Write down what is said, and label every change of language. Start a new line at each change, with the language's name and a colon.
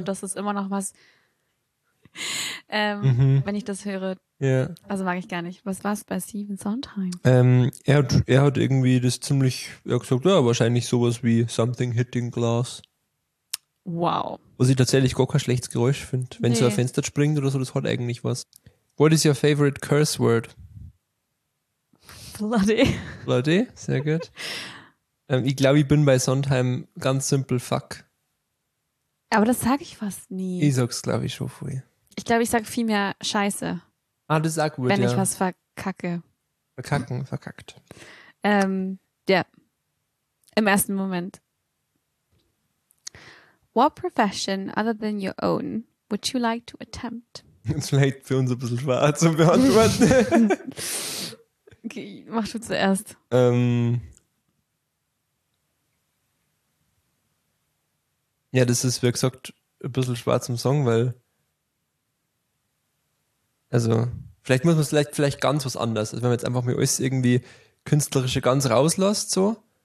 German: Ja. Und das ist immer noch was, wenn ich das höre. Ja. Also mag ich gar nicht. Was war es bei Stephen Sondheim? Er hat irgendwie das ziemlich, er hat gesagt, ja, wahrscheinlich sowas wie
English: Something Hitting Glass.
German: Wow. Was ich tatsächlich gar kein schlechtes Geräusch finde. Wenn so ein Fenster springt oder so, das hat eigentlich was.
English: What is your favorite curse word? Bloody,
German: sehr gut. Ich glaube, ich bin bei Sondheim ganz simpel fuck. Aber das sage ich fast nie. Ich sag's, glaube ich, schon früh. Ich glaube, ich sage viel mehr scheiße. Ah, das sag ich, wenn ich was verkacke. Verkacken, verkackt. Im ersten Moment.
English: What profession other than your own would you like to attempt?
German: Das ist vielleicht für uns ein bisschen schwer zu beantworten. Okay, mach du zuerst. Das ist, wie gesagt, ein bisschen schwer zum Song, weil, also, vielleicht muss man es vielleicht ganz was anderes, also wenn man jetzt einfach mal alles irgendwie künstlerische ganz rauslässt, so.